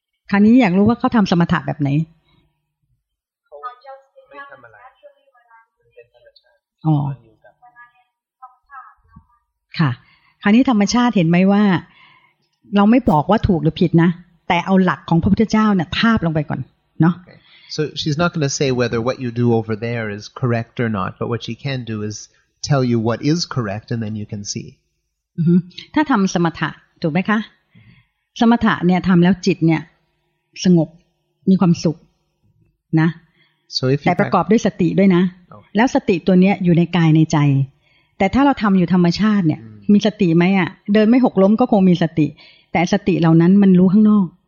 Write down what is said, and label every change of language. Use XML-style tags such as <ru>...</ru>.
<th>คราวนี้อยากรู้ว่าเขาทำสมถะแบบไหนค่ะคราวนี้ธรรมชาติเห็นไหมว่าเราไม่บอกว่าถูกหรือผิดนะแต่เอาหลักของพระพุทธเจ้าเนี่ยภาพลงไปก่อนเนาะ</th> <en>So she's not going to say whether what you do over there is correct or not but what she can do is tell you what is correct and then you can see</en> <th>ถ้าทำสมถะถูกไหมคะสมถะเนี่ยทำแล้วจิตเนี่ยสงบมีความสุขนะ</th> <en>so if you</en> <th>แต่ประกอบด้วยสติด้วยนะ</th> <en>okay.</en> <th>แล้วสติตัวเนี้ยอยู่ในกายในใจแต่ถ้าเราทำอยู่ธรรมชาติเนี่ย มีสติไหมอ่ะเดินไม่หกล้มก็คงมีสติแต่สติเหล่านั้นมันรู้ข้างนอก</th>